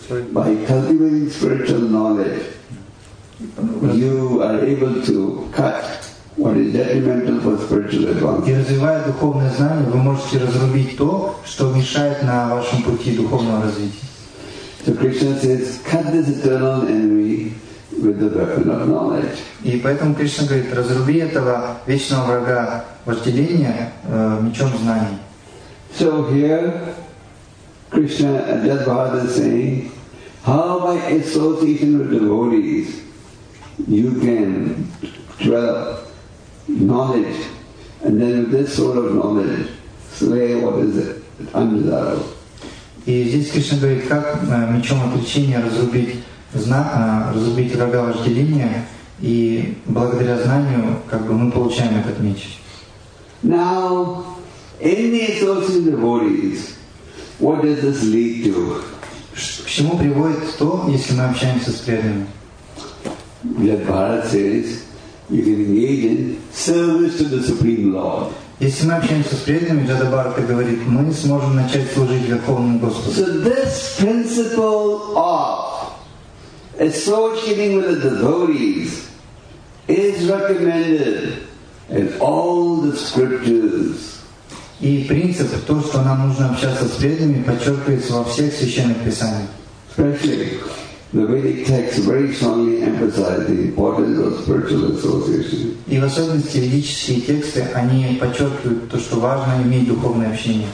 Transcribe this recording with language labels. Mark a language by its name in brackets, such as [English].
[English] By cultivating spiritual knowledge, you are able to cut what is detrimental for spiritual advancement. [Russian] И развивая духовное знание, вы можете разрубить то, что мешает на вашем пути духовного развития. [English] So Krishna says, cut this eternal enemy with the weapon of knowledge. [Russian] И поэтому Кришна говорит, разруби этого вечного врага вожделения мечом знаний. [English] So here, Krishna, Ajit Bhagavad is saying, how by association with devotees, you can develop knowledge, and then with this sort of knowledge, slay what is it, undesirable. [Russian] И здесь Кришна говорит, как мечом отречения разрубить врага вожделения, и благодаря знанию, как бы мы получаем этот меч. [English] Now, in the associated devotees, what does this lead to? [Russian] К чему приводит то, если мы общаемся с преданными? [English] Yet Bharat says, you can engage in service to the Supreme Lord. [Russian] Если мы общаемся с преданными, Джада Бхарата говорит, мы сможем начать служить Верховному Господу. [English] So this principle of associating with the devotees is recommended in all the scriptures. [Russian] И принцип, то, что нам нужно общаться с преданными, подчеркивается во всех священных писаниях. [English] Especially. The Vedic texts very strongly emphasize the importance of spiritual association. [Russian] И в особенности ведические тексты, они подчеркивают то, что важно иметь духовное общение.